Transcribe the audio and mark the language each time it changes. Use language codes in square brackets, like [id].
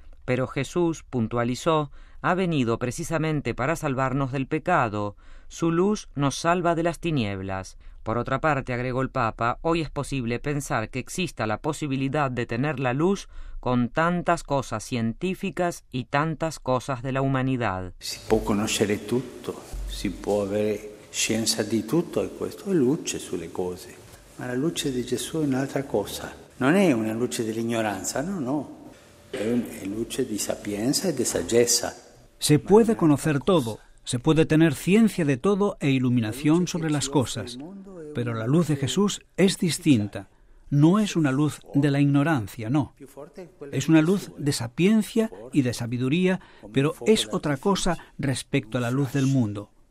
[es] Pero Jesús, puntualizó, ha venido precisamente para salvarnos del pecado. Su luz nos salva de las tinieblas. Por otra parte, agregó el Papa, hoy es posible pensar que exista la posibilidad de tener la luz con tantas cosas científicas y tantas cosas de la humanidad. [it] Si può conoscere tutto, si può avere scienza di tutto e questo è luce sulle cose. Ma la luce di Gesù è un'altra cosa. Non è una luce dell'ignoranza, no, no. È una luce di sapienza e di saggezza. [es] Se puede conocer todo. Se puede tener ciencia de todo e iluminación sobre las cosas, pero la luz de Jesús es distinta. No es una luz de la ignorancia, no. Es una luz de sapiencia y de sabiduría, pero es otra cosa respecto a la luz del mundo.